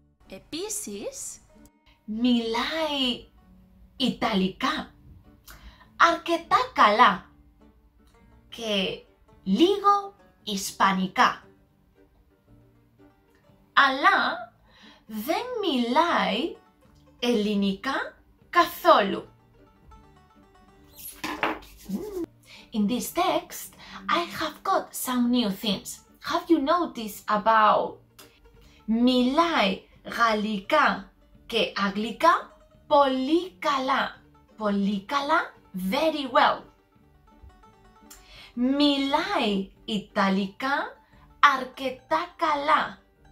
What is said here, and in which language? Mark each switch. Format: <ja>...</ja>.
<el>Επίσης, μιλάει ιταλικά αρκετά καλά και λίγο ισπανικά. Αλλά δεν μιλάει ελληνικά καθόλου.</el> <en>In this text, I have got some new things. Have you noticed about</en> <el>μιλάει γαλλικά και αγγλικά πολύ καλά? Πολύ καλά,</el> <en>very well.</en> <el>Μιλάει ιταλικά αρκετά καλά.</el>